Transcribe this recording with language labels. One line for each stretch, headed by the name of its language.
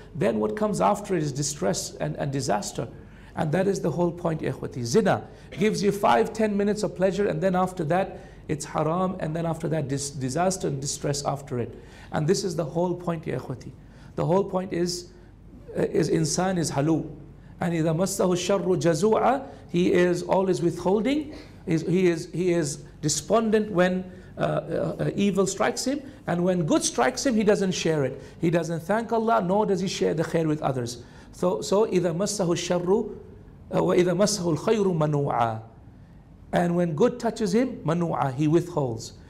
English: Then what comes after it is distress and disaster. And that is the whole point, ikhwati. Zina gives you 5-10 minutes of pleasure, and then after that, it's haram. And then after that, disaster and distress after it. And this is the whole point, ya ikhwati. The whole point is insan is halu.
Arabic: And إِذَا مَسَّهُ الشَّرُّ جَزُوعًا.
English: He is always withholding. He is despondent when evil strikes him, and when good strikes him, he doesn't share it. He doesn't thank Allah, nor does he share the khair with others. So
Arabic: إِذَا مَسَّهُ الشَّرُّ وَإِذَا مَسَّهُ الْخَيْرُ مَنُوعًا.
English: And when good touches him, manu'a, he withholds.